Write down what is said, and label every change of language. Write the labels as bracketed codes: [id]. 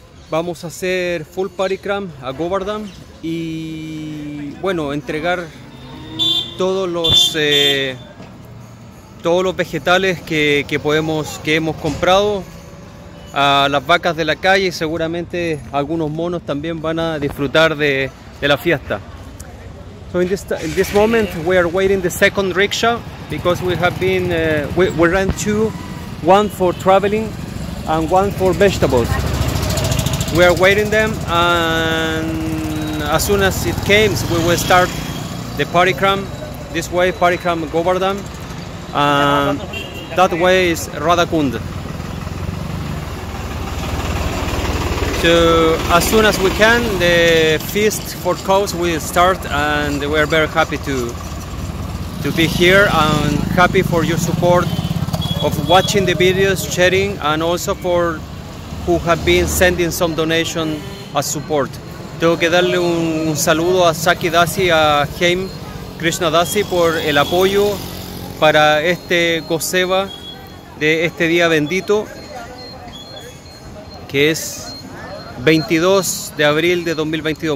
[es] Vamos a hacer full parikram a Govardhan y bueno, entregar todos los vegetales que hemos comprado a las vacas de la calle, y seguramente algunos monos también van a disfrutar de la fiesta. [en] So in this moment we are waiting the second rickshaw because we have been we ran two, one for traveling and one for vegetables. We are waiting them, and as soon as it came, we will start the parikram. This way, parikram Govardhan, and that way is Radhakund. So as soon as we can, the feast for cows will start, and we are very happy to be here, and happy for your support of watching the videos, sharing, and also for who have been sending some donation as support. [es] Tengo que darle un saludo a Saki Dasi, a Haim Krishna Dasi, por el apoyo para este Goseva de este día bendito, que es 22 de abril de 2022.